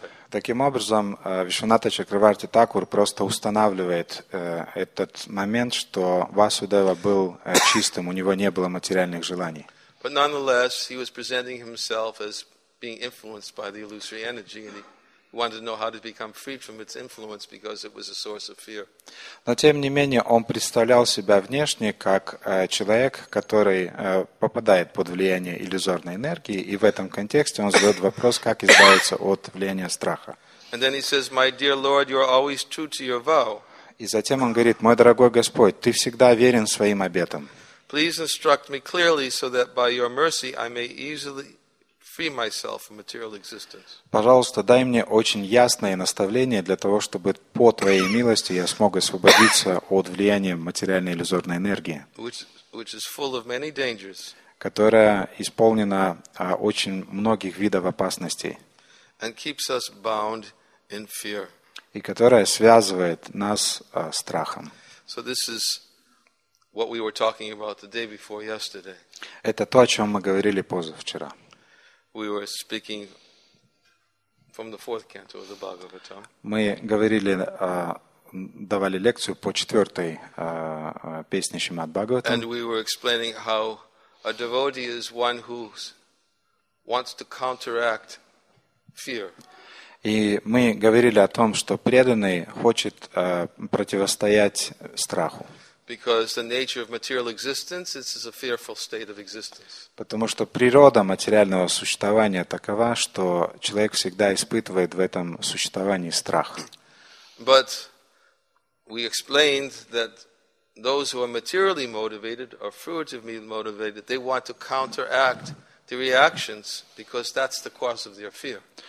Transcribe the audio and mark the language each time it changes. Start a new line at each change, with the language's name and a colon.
Russian: Таким образом, Вишванатха Чакраварти Такур просто устанавливает этот момент, что Васудева был чистым, у него не было материальных желаний.
English: But nonetheless, he was presenting himself as being influenced by the illusory energy, and wanted to know how to become freed from its influence because it was a source of fear.
Russian: Но тем не менее он представлял себя внешне как человек, который попадает под влияние иллюзорной энергии, и в этом контексте он задает вопрос, как избавиться от влияния страха.
English: And then he says, "My dear Lord, you are always true to your vow."
Russian: И затем он говорит: "Мой дорогой Господь, ты всегда верен своим обетам."
English: Please instruct me clearly so that by your mercy I may easily free myself from material existence.
Russian: Пожалуйста, дай мне очень ясное наставление для того, чтобы по твоей милости я смог освободиться от влияния материальной иллюзорной энергии,
English: which is full of many dangers,
Russian: которая исполнена очень многих видов опасностей,
English: and keeps us bound in fear,
Russian: и которая связывает нас страхом.
English: So this is what we were talking about the day before yesterday.
Russian: Это то, о чем мы говорили позавчера.
English: We were speaking from the fourth canto of the Bhagavatam.
Russian: Мы говорили, давали лекцию по четвертой песне Шримад Бхагаватам.
English: And we were explaining how a devotee is one who wants to counteract fear.
Russian: И мы говорили о том, что преданный хочет противостоять страху.
English: Because the nature of material existence, it is a fearful state of existence.
Russian: Потому что природа материального существования такова, что человек всегда испытывает в этом существовании страх.
English: But we explained that those who are materially motivated or fruitively motivated, they want to counteract the reactions because that's the cause of their fear.